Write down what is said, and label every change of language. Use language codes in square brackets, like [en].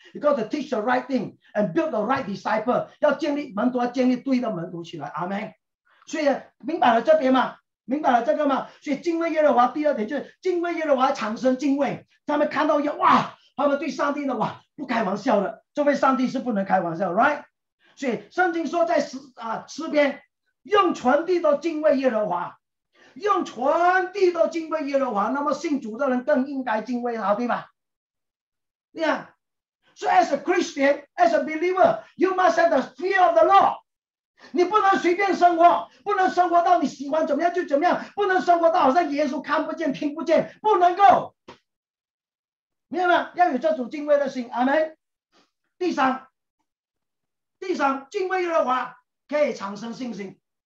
[en] You got to teach the right thing and build the right disciple. [zh] 要建立门徒，要建立对的门徒起来。阿门。所以明白了这边吗？明白了这个吗？所以敬畏耶和华第二点就是敬畏耶和华产生敬畏。他们看到耶，哇，他们对上帝的哇不开玩笑的，这位上帝是不能开玩笑 ，right？所以圣经说在诗篇，用全地都敬畏耶和华。用全地都敬畏耶和华，那么信主的人更应该敬畏他，对吧？你看，所以 [en] as a Christian, as a believer, you must have the fear of the Lord. [zh] 你不能随便生活，不能生活到你喜欢怎么样就怎么样，不能生活到好像耶稣看不见听不见，不能够，明白吗？要有这种敬畏的心，阿们。第三，敬畏耶和华可以产生信心。